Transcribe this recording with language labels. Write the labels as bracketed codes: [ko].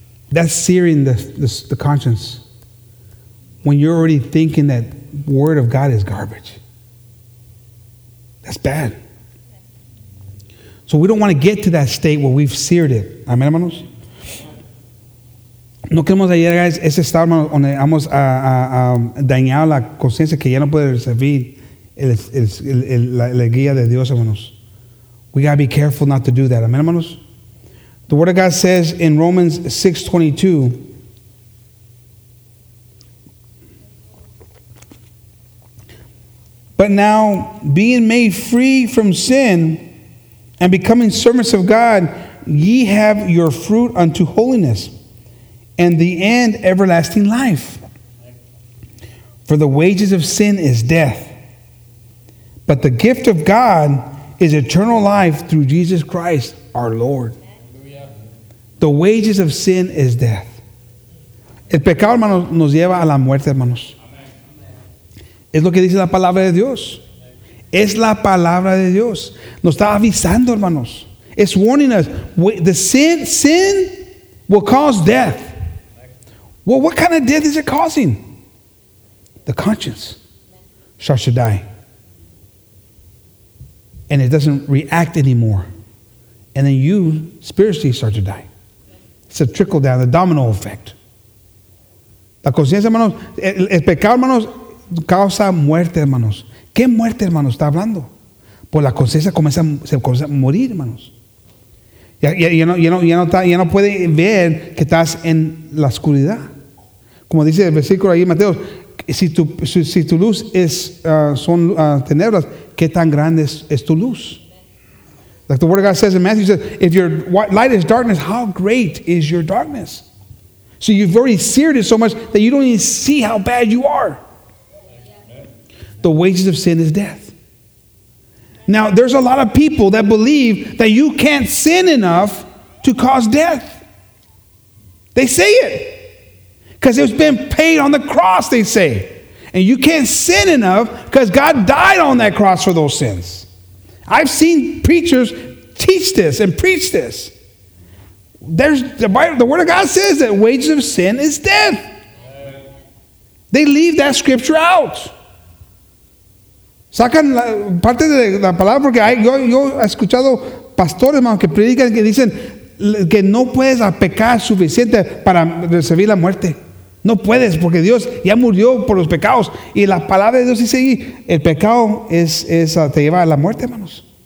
[en] That's searing the conscience when you're already thinking that Word of God is garbage. That's bad. So we don't want to get to that state where we've seared it. [es] Amen, hermanos? No queremos llegar a ese estado, hermanos, donde vamos a dañar la conciencia que ya no puede recibir la guía de Dios, hermanos. [en] We got to be careful not to do that. Amen, hermanos? The Word of God says in Romans 6:22, but now, being made free from sin and becoming servants of God, ye have your fruit unto holiness, and the end everlasting life. For the wages of sin is death, but the gift of God is eternal life through Jesus Christ our Lord. The wages of sin is death. [es] El pecado, hermanos, nos lleva a la muerte, hermanos. Es lo que dice la palabra de Dios. Es la palabra de Dios. Nos está avisando, hermanos. It's warning us. [en] The sin will cause death. Well, what kind of death is it causing? The conscience starts to die. And it doesn't react anymore. And then you spiritually start to die. It's a trickle down, the domino effect. [es] La conciencia, hermanos, el pecado, hermanos, causa muerte, hermanos. ¿Qué muerte, hermanos, está hablando? Pues la conciencia se comienza a morir, hermanos. Ya no puede ver que estás en la oscuridad. Como dice el versículo ahí en Mateo, si tu luz es son tinieblas, ¿qué tan grande es tu luz? [en] Like the Word of God says in Matthew, says, if your light is darkness, how great is your darkness? So you've already seared it so much that you don't even see how bad you are. The wages of sin is death. Now, there's a lot of people that believe that you can't sin enough to cause death. They say it. Because it's been paid on the cross, they say. And you can't sin enough because God died on that cross for those sins. I've seen preachers teach this and preach this. There's the Word of God says that wages of sin is death. They leave that scripture out. [es] Sacan parte de la palabra porque yo he escuchado pastores, hermanos, que predican que dicen que no puedes pecar suficiente para recibir la muerte. No puedes porque Dios ya murió por los pecados. Y la palabra de Dios dice ahí, el pecado es te lleva a la muerte, hermanos.